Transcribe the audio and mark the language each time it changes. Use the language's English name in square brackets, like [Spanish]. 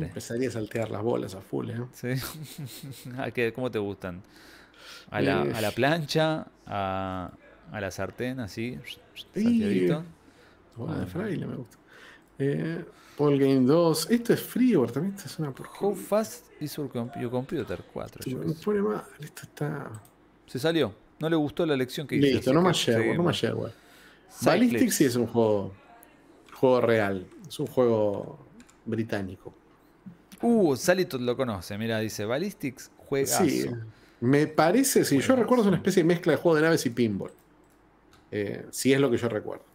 [Spanish] Yo empezaría a saltear las bolas a full, ¿eh? Sí. ¿A qué, cómo te gustan? A la plancha, a la sartén, así. Salteadito. Bola de fraile, me gusta. Ballgame 2. Esto es frío, también esto es una porquería. [English] How fast is your computer? 4. [Spanish] Me pone mal, esto está. Se salió. No le gustó la lección que hizo. Listo, no más Sherwood, Ballistic sí es un juego real. Es un juego británico. Salito lo conoce. Mira, dice Ballistic juegazo. Sí, me parece, si juegazo. Yo recuerdo, es una especie de mezcla de juego de naves y pinball. Si es lo que yo recuerdo.